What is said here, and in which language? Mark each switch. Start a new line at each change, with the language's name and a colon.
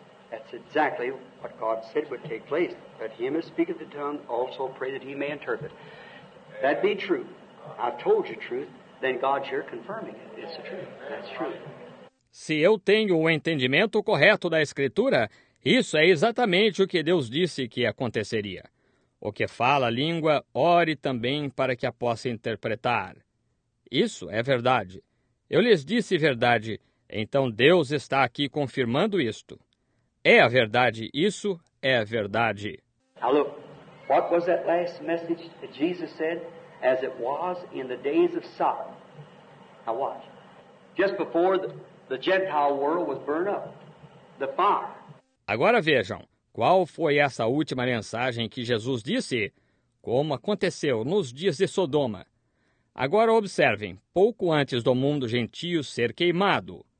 English: That's exactly what God said would take place. That him who speaketh the tongue also pray that he may interpret. That be true. I've told you truth, then God's here confirming it. It's the truth. That's true.
Portuguese: Se eu tenho o entendimento correto da Escritura, isso é exatamente o que Deus disse que aconteceria. O que fala a língua, ore também para que a possa interpretar. Isso é verdade. Eu lhes disse verdade. Então Deus está aqui confirmando isto. É a verdade, isso é a verdade.
English: Now look, what was that last message that Jesus said? As it was in the days of Sodom. Now watch. Just before the Gentile world was burned up. The fire.
Portuguese: Agora vejam, qual foi essa última mensagem que Jesus disse? Como aconteceu nos dias de Sodoma. Agora observem, pouco antes do mundo gentio ser queimado.